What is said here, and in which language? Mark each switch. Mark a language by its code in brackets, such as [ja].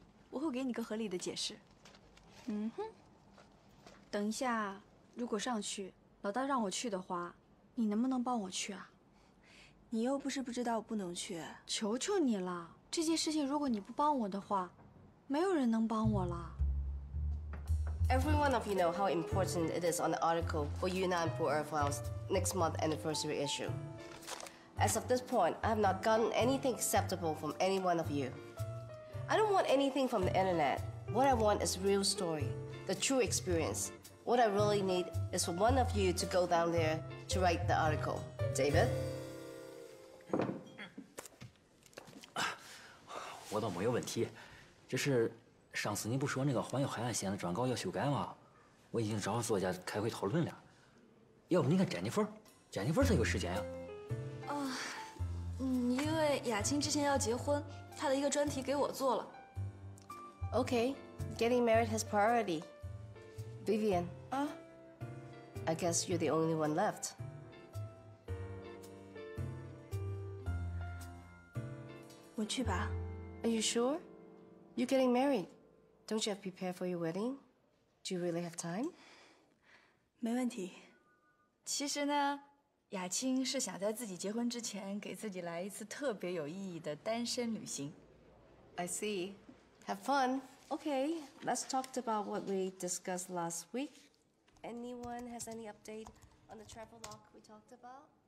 [zh] 我会给你个合理的解释。嗯哼，等一下，如果上去。老大让我去的话，你能不能帮我去啊？你又不是不知道我不能去。求求你了，这件事情如果你不帮我的话，没有人能帮我了。 [en] Every one of you know how important it is on the article for you and I for our files next month anniversary issue. As of this point, I have not gotten anything acceptable from any one of you. I don't want anything from the internet. What I want is real story, the true experience. What I really need is for one of you to go down there to write the article. David? [zh] 我倒没有问题，只是上次您不说那个环游海岸线的转告要修改吗？我已经找作家开会讨论了。要不您看詹妮弗，詹妮弗她有时间呀。因为雅青之前要结婚，她的一个专题给我做了。 [en] Okay, getting married has priority. Vivian, I guess you're the only one left. I'll go. Are you sure? You're getting married. Don't you have to prepare for your wedding? Do you really have time? [zh] 没问题。其实呢，雅青是想在自己结婚之前给自己来一次特别有意义的单身旅行。 [en] I see. Have fun. Okay, let's talk about what we discussed last week. Anyone has any update on the travelogue we talked about?